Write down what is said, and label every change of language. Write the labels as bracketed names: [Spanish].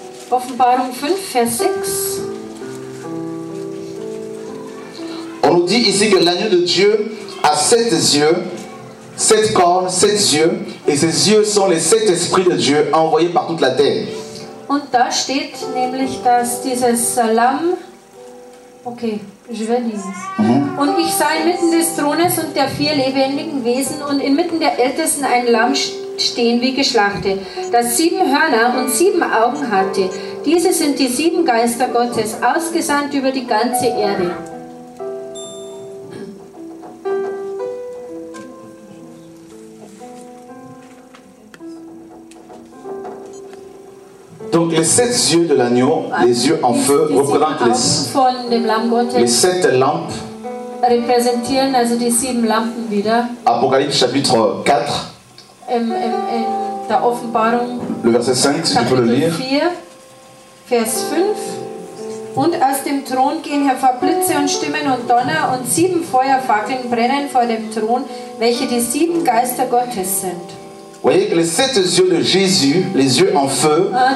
[German] Offenbarung 5, Vers 6. [French] On nous dit ici que l'agneau de Dieu a sept yeux, sept cornes, sept yeux, et ces yeux sont les sept esprits de Dieu envoyés par toute la terre. [German] Und da steht nämlich, dass dieses Lamm, okay, [French] je vais lire. [German] Und ich sah inmitten des Thrones und der vier lebendigen Wesen und inmitten der Ältesten ein Lamm stehen wie geschlachtet, das sieben Hörner und sieben Augen hatte. Diese sind die sieben Geister Gottes, ausgesandt über die ganze Erde. [French] Donc les sept yeux de l'agneau, les yeux en feu, représentent les sept lampes. [German] Repräsentieren also die sieben Lampen wieder. [French] Apocalypse chapitre 4. [German] In der Offenbarung. [French] Le verset 5, si tu peux le lire. [German] 4, Vers 5. Und aus dem Thron gehen hervor Blitze und Stimmen und Donner und sieben Feuerfackeln brennen vor dem Thron, welche die sieben Geister Gottes sind. [French] Vous voyez que les sept yeux de Jésus, les yeux en feu,